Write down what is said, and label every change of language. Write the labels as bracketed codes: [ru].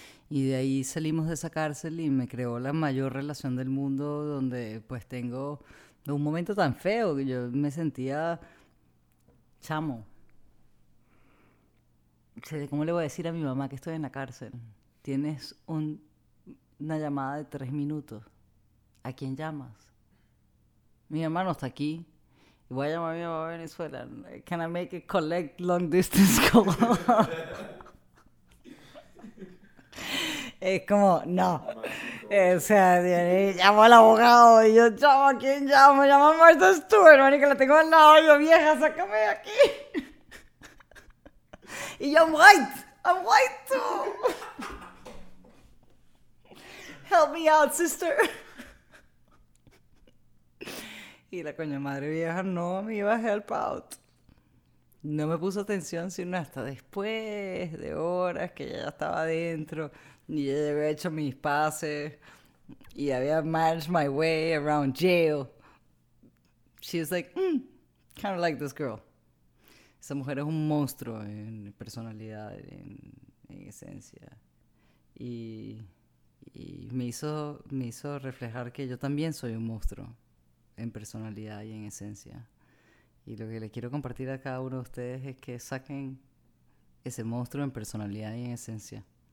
[es] Y de ahí salimos de esa cárcel y me creó la mayor relación del mundo, donde pues tengo un momento tan feo que yo me sentía chamo. Sé cómo le voy a decir a mi mamá que estoy en la cárcel. Tienes una llamada de 3 minutos. ¿A quién llamas? Mi mamá no está aquí. Y voy a llamar a mi mamá a Venezuela. [en] Can I make a collect long distance call? [es] Es como, no. O sea, llamo al abogado y yo, llamo a quién llamo, llamo a Martha Stewart, marica, la tengo al lado, yo, vieja, sácame de aquí. Y yo, [en] I'm white too. Help me out, sister. [es] Y la coña madre vieja no me iba a [en] help out. [es] No me puso atención sino hasta después de horas que ya estaba adentro. Y ya había hecho mis pases y había [en] managed my way around jail. She was like, kind of like this girl. [es] Esa mujer es un monstruo en personalidad, en esencia. Y me hizo reflejar que yo también soy un monstruo en personalidad y en esencia. Y lo que le quiero compartir a cada uno de ustedes es que saquen ese monstruo en personalidad y en esencia.